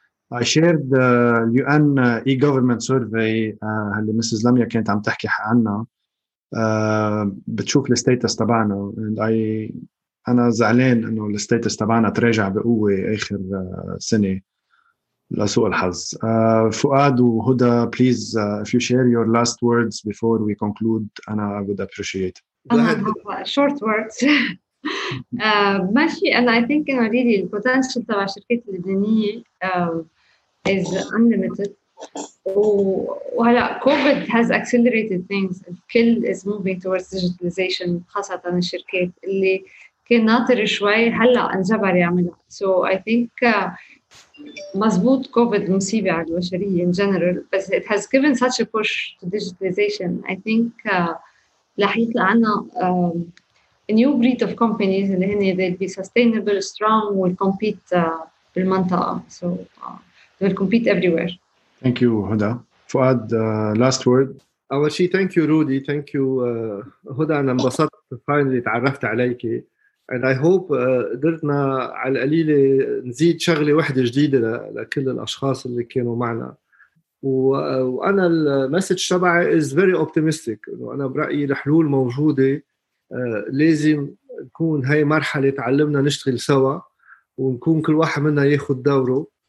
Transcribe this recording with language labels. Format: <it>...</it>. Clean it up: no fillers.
<en>I shared the UN e-government survey اللي Mrs.</en> <ar>Lamia كانت عم تحكي عنه بتشوف الستيتس تبعنا</ar> <en>and I</en> <ar>أنا زعلان إنه الستيتس تبعنا تراجع بقوة آخر سنة لسوء الحظ.</ar> <en>فؤاد وهدى please if you share your last words before we conclude</en> <ar>أنا</ar> <en>would appreciate. Short words.</en> <ar>ماشي أنا</ar> <en>I think</en> <ar>إنه</ar> <en>really the potential</en> <ar>تبع الشركات اللبنانية</ar> <en>is unlimited.</en> <ar>وهلا</ar> <en>كوفيد has accelerated things.</en> <ar>الكل</ar> <en>is moving towards digitalization</en> <ar>خاصة الشركات اللي كان ناطر شوي هلا انجبر يعملها.</ar> <en>So I think</en> <ar>مزبوط كوفيد مصيبة على البشرية</ar> <en>in general, but it has given such a push to digitalization. I think</en> <ar>رح يطلع عنا</ar> <en>a new breed of companies</en> <ar>اللي هن</ar> <en>they'll be sustainable, strong, will compete</en> <ar>بالمنطقة.</ar> <en>So will compete everywhere. Thank you, Huda. Fouad, last word.</en> <ar>أول شيء</ar> <en>thank you, Rudy. Thank you, Huda.</en> <ar>أنا انبسطت</ar> <en>finally</en> <ar>تعرفت عليك.</ar> <en>And I hope</en> <ar>قدرنا على القليلة نزيد شغلة واحدة جديدة لكل الأشخاص اللي كانوا معنا. وأنا المسج تبعي</ar> <en>is very optimistic.</en> <ar>أنا برأيي الحلول موجودة. لازم نكون هاي مرحلة تعلمنا نشتغل سوا ونكون كل واحد منا ياخد دوره.</ar>